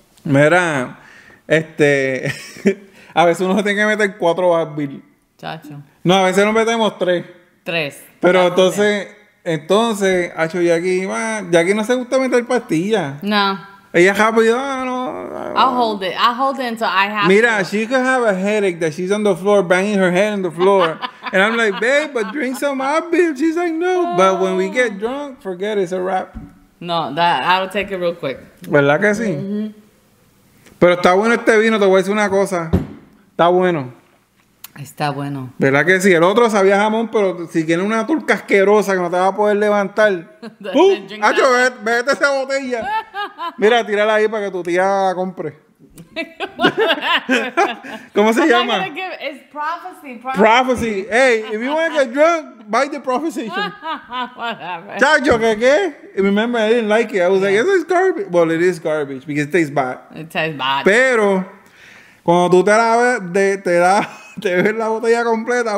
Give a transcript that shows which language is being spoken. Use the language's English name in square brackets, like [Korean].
[Spanish] Mira, a veces uno tiene que meter 4 Advil. Chacho. No, a veces nos metemos 3. 3. Pero entonces, Acho y aquí, no se gusta meter pastillas. No. Ella rápido, no. [English] I'll hold it until I have. Mira, she could have a headache that she's on the floor banging her head on the floor. And I'm like, babe, but drink some Advil. She's like, no. But when we get drunk, forget it, it's a wrap. No, I'll take it real quick. [Spanish] ¿Verdad que sí? Mm-hmm. Pero está bueno este vino, te voy a decir una cosa. Está bueno. Está bueno. ¿Verdad que sí? El otro sabía jamón, pero si tiene una turca asquerosa que no te va a poder levantar. ¡Pum! ¡Acho, vete esa botella! Mira, tírala ahí para que tu tía la compre. ¿Cómo se llama? [English] It's prophecy. Hey, if you want to get drunk, buy the prophecy. Whatever. [Spanish] Chacho, ¿qué? [English] Remember, I didn't like it. I was like, it's garbage. Well, it is garbage because it tastes bad. It tastes bad. [Spanish] Pero, cuando tú te la ves, te ves la botella completa.